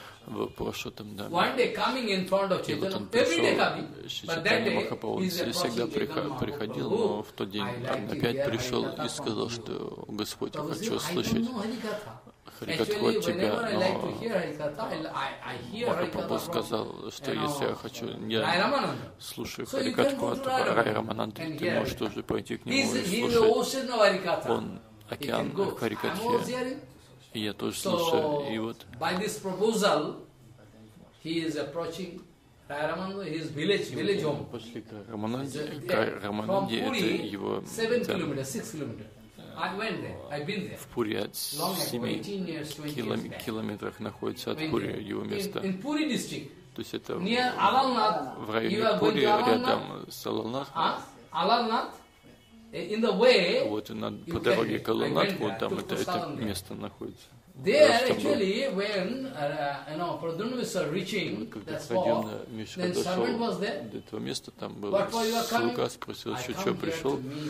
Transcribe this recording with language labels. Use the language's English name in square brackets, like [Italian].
[Russian] В Пуршоттам, да. И вот он пришел, Чайтанья Махапрабху, он всегда приходил, но в тот день он опять пришел и сказал, что «Господь, я хочу услышать Харикатху от тебя». Но Махапрабху сказал, что если я хочу, я слушаю Харикатху от Рай Рамананты, ты можешь тоже пойти к нему и слушать. Он океан в Харикатхе. И я тоже слушаю, и вот. [English] By this proposal, he is approaching Rāyaramanda, his village home. [Russian] Пошли к Рамананде, Рамананде это его. [English] Seven kilometers, six kilometers. I went there. I've been there. [Russian] В Пури от 7 километров находится от Пури его места. [English] In Puri district. [Russian] То есть это. [English] Near Alalnath. [Russian] В районе Пури рядом с Алалнатхом. [English] А? Алалнат? In the way, [Russian] вот на по дороге к Алалнатху, там это место находится. [English] There actually, when Pradyumna Mishra reaching that spot, then servant was there. [Russian] До этого места там был слуга, спросил, что пришел.